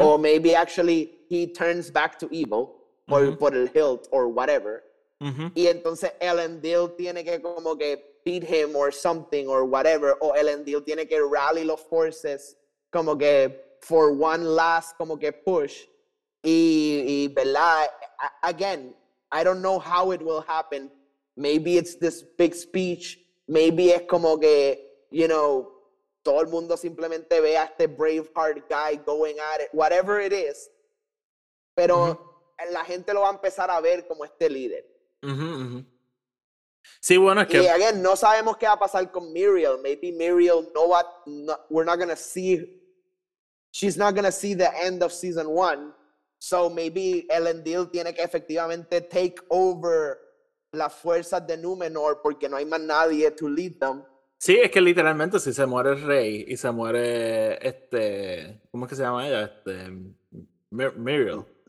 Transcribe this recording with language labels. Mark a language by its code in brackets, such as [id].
[en] Or maybe actually he turns back to evil. Or mm-hmm. [es] por el hilt [en] or whatever. Mm-hmm. [es] Y entonces Elendil tiene que como que [en] beat him or something or whatever. [es] O Elendil tiene que [en] rally [es] los [en] forces [es] como que [en] for one last [es] como que [en] push. [es] Y ¿verdad? [en] Again, I don't know how it will happen. Maybe it's this big speech. Maybe [es] es como que, [en] you know... [es] Todo el mundo simplemente ve a este Braveheart [en] guy going at it, whatever it is. [es] Pero uh-huh. la gente lo va a empezar a ver como este líder. Uh-huh, uh-huh. Sí, bueno, es y que... Y, [en] again, [es] no sabemos qué va a pasar con Muriel. [en] Maybe Muriel, we're not gonna see... She's not gonna see the end of season one. So maybe [es] Elendil tiene que efectivamente [en] take over [es] las fuerzas de Númenor porque no hay más nadie [en] to lead them. [es] Sí, es que literalmente si se muere el rey y se muere este... ¿Cómo es que se llama ella? Este, Muriel.